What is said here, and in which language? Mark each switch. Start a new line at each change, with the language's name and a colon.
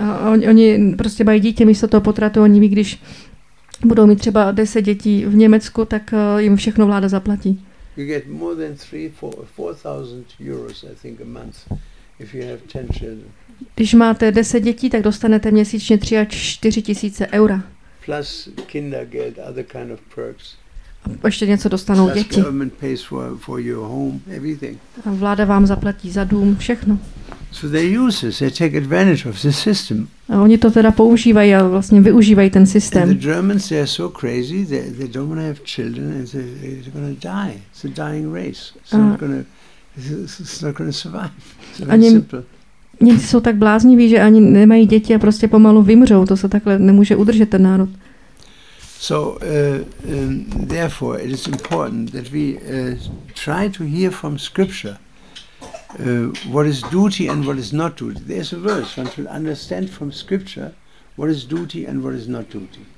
Czech: Oni prostě mají dítě místo toho potratu, oni ví, když budou mít třeba 10 dětí v Německu, tak jim všechno vláda zaplatí.
English: You get more than 4,000 euros, I think, a month, if you have 10 children.
Czech: Když máte 10 dětí, tak dostanete měsíčně 3 000 až 4 000 eura.
English: Plus Kindergeld, other kind of perks.
Czech: A ještě něco dostanou
English: plus
Czech: děti.
English: Government pays for your home, everything.
Czech: A vláda vám zaplatí za dům, všechno.
English: So they use this, they take advantage of the system.
Czech: A oni to teda používají a vlastně využívají ten systém.
English: And the Germans, they are so crazy, they don't want to have children and they're going to die. It's a dying race. It's not going to survive.
Czech: Němci jsou tak blázniví, že ani nemají děti a prostě pomalu vymřou. To se takhle nemůže udržet ten národ.
English: So therefore it is important that we try to hear from scripture what is duty and what is not duty. There's a verse one should understand from scripture what is duty and what is not duty.